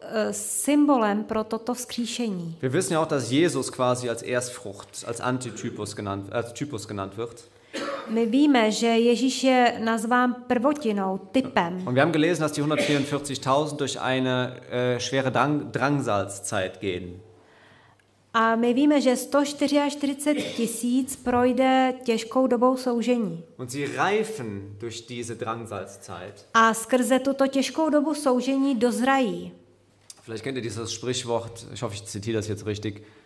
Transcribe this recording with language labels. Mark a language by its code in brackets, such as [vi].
[cs] Symbolem pro toto vzkříšení. [de] Wir wissen ja auch, dass Jesus quasi als Erstfrucht, als Antitypus genannt, als Typus genannt wird. [cs] My víme, že Ježíš je nazván prvotinou, typem. [de] Und wir haben gelesen, dass die 144.000 durch eine schwere Drangsalzeit gehen. [cs] A my víme, že 144 tisíc projde těžkou dobou soužení. [de] Und sie reifen durch diese Drangsalzeit. [cs] A skrze tuto těžkou dobu soužení dozrají. [de] Vielleicht kennt ihr dieses Sprichwort, ich hoffe, ich zitiere das jetzt richtig.